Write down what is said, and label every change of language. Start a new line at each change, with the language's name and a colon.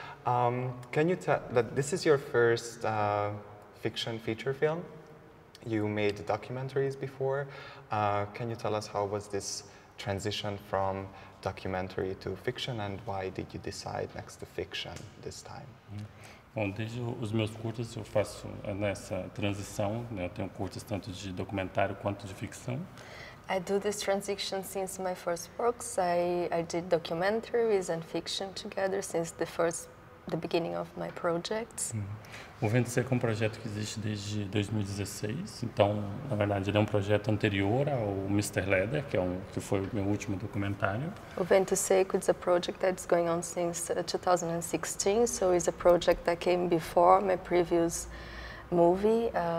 English: Can you tell that this is your first fiction feature film? You made documentaries before. Can you tell us how was this transition from documentary to fiction, and why did you decide next to fiction this time?
Portuguese: Bom, desde os meus curtas eu faço nessa transição, né? Eu tenho curtas tanto de documentário quanto de ficção.
English: I do this transition since my first works. I did documentaries and fiction together since the beginning of my projects.
Portuguese: O Vento Seco é um projeto que existe desde 2016, então, na verdade, ele é um projeto anterior ao Mr. Leather, que foi o meu último documentário.
English: O Vento Seco is a project that's going on since 2016, so it's a project that came before my previous movie.